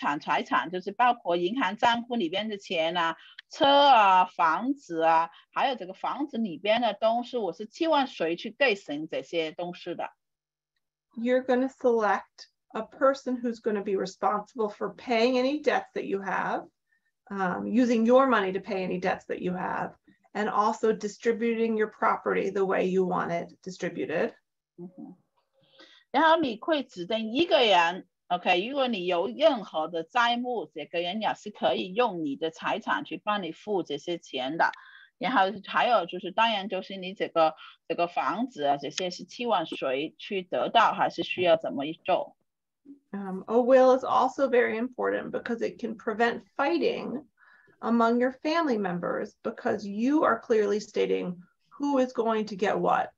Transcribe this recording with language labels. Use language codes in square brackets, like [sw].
[zh] 然后呢，基本上你这个人可以去指明说，我如果去世的话，我的资产财产就是包括银行账户里边的钱啊。车啊，房子啊，还有这个房子里边的东西，我是希望谁去继承这些东西的。 [en] You're going to select a person who's going to be responsible for paying any debts that you have, using your money to pay any debts that you have, and also distributing your property the way you want it distributed. [zh] 然后你会指定一个人。 OK，如果你有任何的债务，这个人也是可以用你的财产去帮你付这些钱的。然后还有就是，当然就是你这个房子啊，这些是期望谁去得到，还是需要怎么做？ [en] A will is also very important because it can prevent fighting among your family members because you are clearly stating who is going to get what.